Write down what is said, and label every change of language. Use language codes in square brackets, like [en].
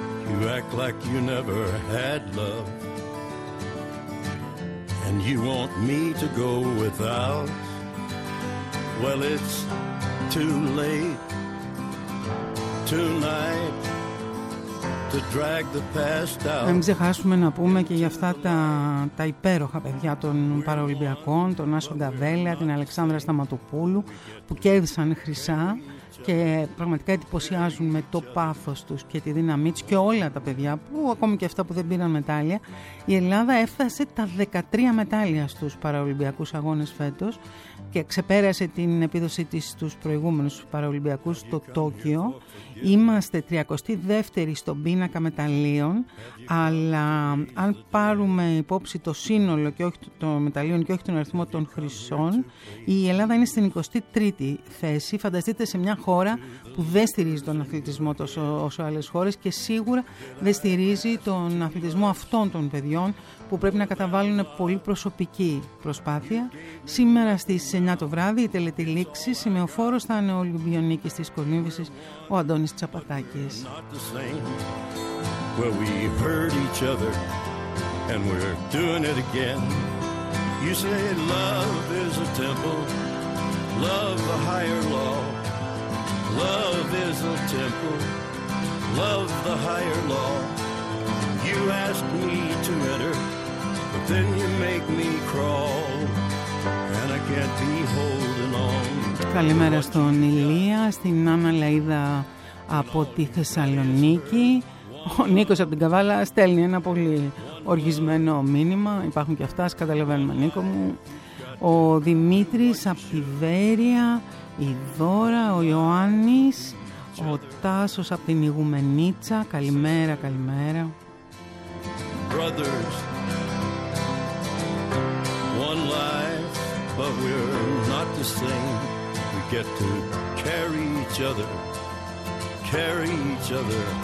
[en] You act like you never had love, and you want me to go without. Well, it's too late tonight to drag the past out. [el] Να μην ξεχάσουμε να πούμε και για αυτά τα υπέροχα παιδιά των Παραολυμπιακών, τον Άσο Γκαβέλα, την Αλεξάνδρα Σταματοπούλου, που κέρδισαν χρυσά και πραγματικά εντυπωσιάζουν με το πάθος τους και τη δύναμή τους, και όλα τα παιδιά, που ακόμη και αυτά που δεν πήραν μετάλλια. Η Ελλάδα έφτασε τα 13 μετάλλια στους Παραολυμπιακούς Αγώνες φέτος και ξεπέρασε την επίδοσή της στους προηγούμενους Παραολυμπιακούς στο Τόκιο. Είμαστε 32η στον πίνακα μεταλλίων, αλλά αν πάρουμε υπόψη το σύνολο και όχι το μεταλλίων και όχι τον αριθμό των χρυσών, η Ελλάδα είναι στην 23η θέση. Φανταστείτε, σε μια χώρα που δεν στηρίζει τον αθλητισμό τόσο όσο άλλες χώρες, και σίγουρα δεν στηρίζει τον αθλητισμό αυτών των παιδιών, που πρέπει να καταβάλουν πολύ προσωπική προσπάθεια. Σήμερα στις 9 το βράδυ η τελετή λήξη. Σημεοφόρος θα είναι ο Ολυμπιονίκης της Κολύμβησης, ο Αντώνης Τσαπατάκης. [en] Well, we hurt each other and we're doing it again. You say love is a temple, love the higher law. Love is a temple, love the higher law. You ask me to enter, but then you make me crawl. And I can't be holding on. [el] Καλημέρα στον Ηλία, στην Άννα Λαϊδα από τη Θεσσαλονίκη. Ο Νίκος από την Καβάλα στέλνει ένα πολύ οργισμένο μήνυμα. Υπάρχουν και αυτά, ας καταλαβαίνουμε, Νίκο μου. Ο Δημήτρης από τη Βέρεια, η Δώρα, ο Ιωάννης, ο Τάσος από την Ηγουμενίτσα. Καλημέρα, καλημέρα. [en] Brothers, one life, but we're not the same. We get to carry each other, carry each other.